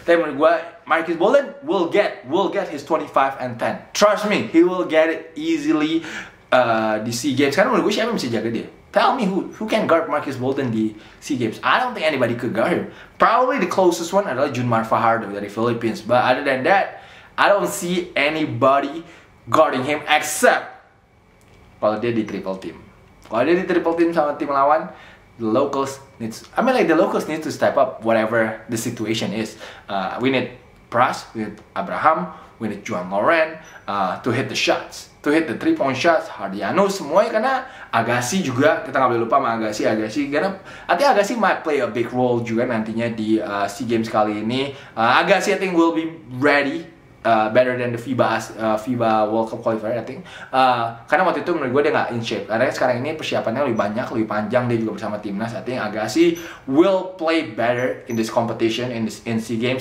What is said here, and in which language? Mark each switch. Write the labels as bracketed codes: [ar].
[id] Tapi menurut gue, [en] Marcus Bolden will get his 25-10. Trust me, he will get it easily di SEA Games. [id] Karena menurut gue siapa yang bisa jaga dia? [en] Tell me who can guard Marcus Bolden [id] di SEA Games. [en] I don't think anybody could guard him. Probably the closest one adalah Junmar Fajardo dari Philippines. But other than that, I don't see anybody guarding him except [id] kalau dia di triple team. Kalau dia di triple team sama tim lawan, [en] the locals need to step up whatever the situation is. We need Pras, we need Abraham, we need Juan Loren to hit the shots, to hit the 3 point shots, Hardiano, semuanya. [id] Karena Agassi juga, kita gak boleh lupa sama Agassi, karena nanti Agassi [en] might play a big role [id] juga nantinya di SEA Games kali ini. [en] Agassi I think will be ready better than the FIBA World Cup qualifier, I think. [id] Karena waktu itu menurut gue dia gak [en] in shape, [id] karena sekarang ini persiapannya lebih banyak, lebih panjang, dia juga bersama timnas. [en] I think Agassi will play better in this competition, in SEA Games.